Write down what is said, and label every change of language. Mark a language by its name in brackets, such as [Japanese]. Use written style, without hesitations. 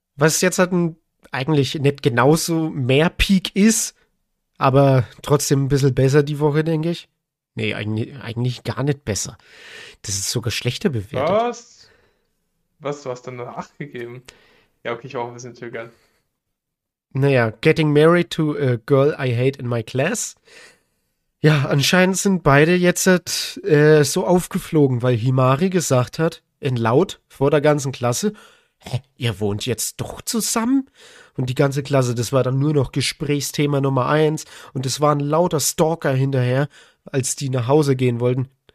[German] Was jetzt halt eigentlich nicht genauso mehr Peak ist, aber trotzdem ein bisschen besser die Woche, denke ich. Nee, eigentlich gar nicht besser. Das ist sogar schlechter bewertet. Was? Was? Du hast dann nur 8 gegeben. Ja, okay, ich auch ein bisschen zögern. [English] Naja, getting married to a girl I hate in my class. [German] Ja, anscheinend sind beide jetzt so aufgeflogen, weil Himari gesagt hat, in laut vor der ganzen Klasse, ihr wohnt jetzt doch zusammen? Und die ganze Klasse, das war dann nur noch Gesprächsthema Nummer 1 und es waren lauter Stalker hinterher, als die nach Hause gehen wollten.